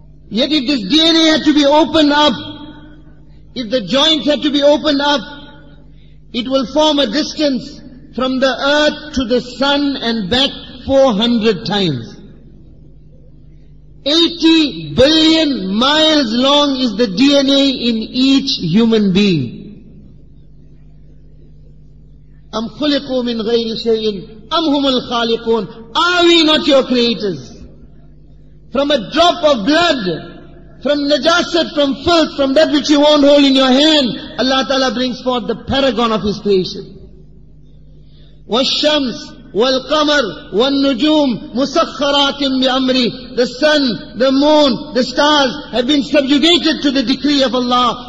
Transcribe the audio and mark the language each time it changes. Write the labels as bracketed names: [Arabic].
[English] Yet if this DNA had to be opened up, if the joints had to be opened up, it will form a distance from the earth to the sun and back 400 times. 80 billion miles long is the DNA in each human being. [Arabic] أَمْ خُلِقُوا مِنْ غَيْرِ شَيْءٍ أَمْ هُمُ الْخَالِقُونَ [English] Are we not your creators? From a drop of blood, from najasat, from filth, from that which you won't hold in your hand, Allah Ta'ala brings forth the paragon of His creation. [Arabic] وَالشَّمْسِ والقمر والنجوم مسخرات بأمري [English] The sun, the moon, the stars have been subjugated to the decree of Allah.